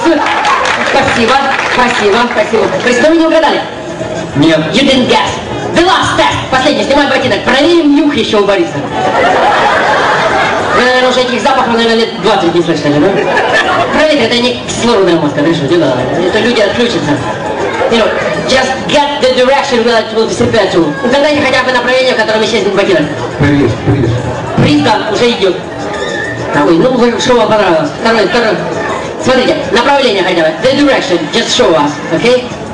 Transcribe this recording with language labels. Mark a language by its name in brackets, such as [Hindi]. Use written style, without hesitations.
[Russian] Спасибо, спасибо, спасибо. Борис, вы не угадали? Нет. [English] You didn't guess. The last test. [Russian] Последний, снимай ботинок. Проверим нюх еще у Бориса. Вы, наверное, уже этих запахов, наверное, лет 20 не слышали, да? Проверьте, это не кислородная мозга, да что, не надо. Это люди отключатся. [English] just get the direction where it will disappear to. [Russian] Угадайте хотя бы направление, в котором исчезнет ботинок. Приз. Приз, да, уже идет. Ой, ну, что вам понравилось? Второй. Смотрите, направление хотя бы. [English] The direction, just show us, okay?